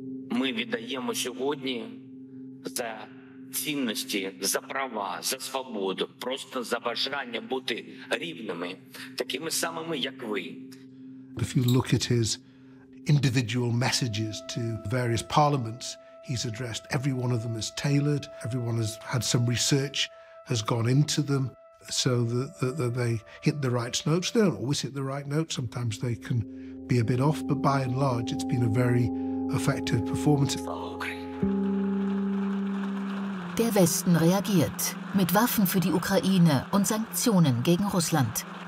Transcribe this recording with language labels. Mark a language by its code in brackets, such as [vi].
[uk] Ми віддаємо сьогодні за цінності, за права, за свободу, просто за бажання бути рівними, такими самими, як ви. [en] If you look at his individual messages to various parliaments, he's addressed every one of them is tailored, everyone has had some research has gone into them, so that they hit the right notes. They don't always hit the right notes, sometimes they can be a bit off, but by and large, it's been a very effective performance. [de] Der Westen reagiert mit Waffen für die Ukraine und Sanktionen gegen Russland.